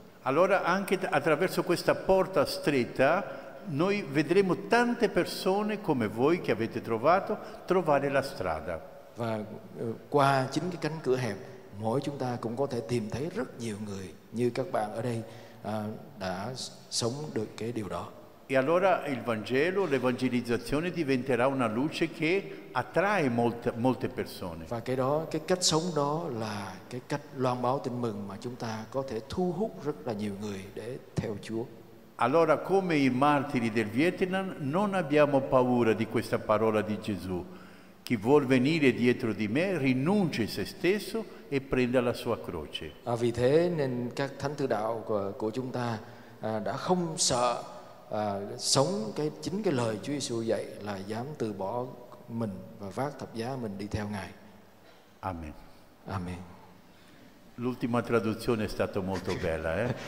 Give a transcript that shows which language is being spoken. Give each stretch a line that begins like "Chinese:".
Italian: Allora anche attraverso questa porta stretta noi vedremo tante persone come voi che avete trovato trovare la strada.
Vietnamese: Và qua chính cái cánh cửa hẹp, mỗi chúng ta cũng có thể tìm thấy rất nhiều người như các bạn ở đây đã sống được cái điều đó.
Italian: E allora il Vangelo, l'evangelizzazione diventerà una luce che attrae molte persone.
Vietnamese: Và cái đó, cái cách sống đó là cái cách loan báo tin mừng mà chúng ta có thể thu hút rất là nhiều người để theo Chúa.
Italian: Allora, come i martiri del Vietnam, non abbiamo paura di questa parola di Gesù. Chi vuol venire dietro di me rinuncia a se stesso e prenda la sua croce.
Vietnamese: Vì thế nên các thánh tử đạo của chúng ta đã không sợ sống cái chính cái lời Chúa Giêsu dạy là dám từ bỏ mình và vác thập giá mình đi theo Ngài. Amen. Amen.
Italian: L'ultima traduzione è stata molto bella,